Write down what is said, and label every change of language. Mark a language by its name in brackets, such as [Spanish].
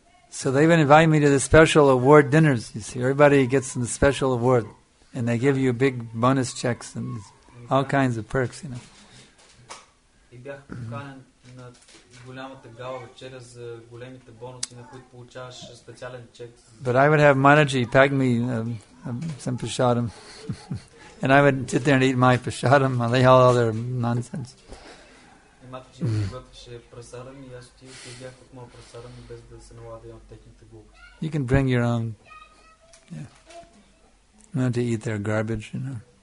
[English] So they even invite me to the special award dinners. You see, everybody gets the special award. And they give you big bonus checks and all kinds of perks, you know. [Bulgarian] И бях поканен на голямата гала вечеря за големите бонуси, на които получаваш специален чек. [English] But I would have Manaji pack me some prasadam. And I would sit there and eat my prasadam and they all their nonsense. [Bulgarian] И Матаджи ми готвеше прасадам и аз ти бях от моя прасадам, без да се налага от техните глупости. [English] You can bring your own. Yeah. Not to eat their garbage, you know.